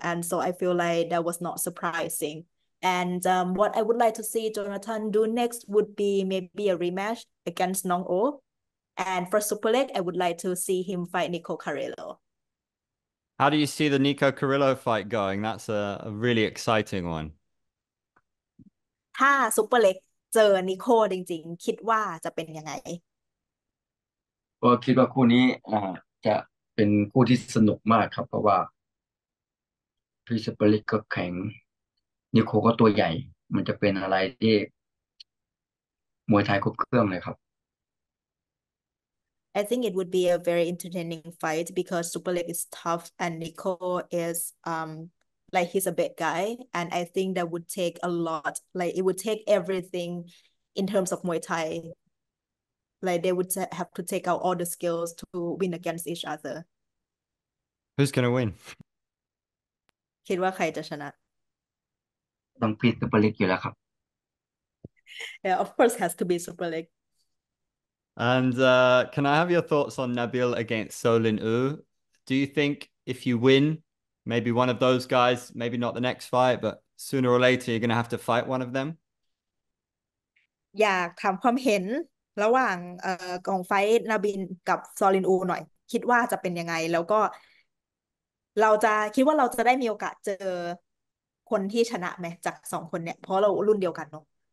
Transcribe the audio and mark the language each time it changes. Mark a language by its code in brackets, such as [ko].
[en] And so I feel like that was not surprising. And what I would like to see Jonathan do next would be maybe a rematch against Nong O. And for Superleg, I would like to see him fight Nico Carrillo. How do you see the Nico Carrillo fight going? That's a really exciting one. [th] ถ้าซูเปอร์เล็กเจอนิโคจริงๆคิดว่าจะเป็นยังไง ก็คิดว่าคู่นี้จะเป็นคู่ที่สนุกมากครับเพราะว่าพรีสเปริกก็แข็งนิโคก็ตัวใหญ่มันจะเป็นอะไรที่มวยไทยครบเครื่องเลยครับ [en] I think it would be a very entertaining fight because Super Leg is tough and Nico is like he's a big guy and I think that would take a lot like it would take everything in terms of Muay Thai like they would have to take out all the skills to win against each other Who's gonna win? [th] คิดว่าใครจะชนะ ต้องพีซุปเปอร์เล็กอยู่แล้วครับ [en] Yeah of course has to be Super Leg And can I have your thoughts on Nabil against Solin U? Do you think if you win, maybe one of those guys, maybe not the next fight, but sooner or later you're gonna have to fight one of them? [th] อยากถามความเห็นระหว่างของไฟท์นาบินกับซอลินอูหน่อยคิดว่าจะเป็นยังไงแล้วก็เราจะคิดว่าเราจะได้มีโอกาสเจอคนที่ชนะไหมจากสองคนเนี่ยเพราะเรารุ่นเดียวกันเนาะ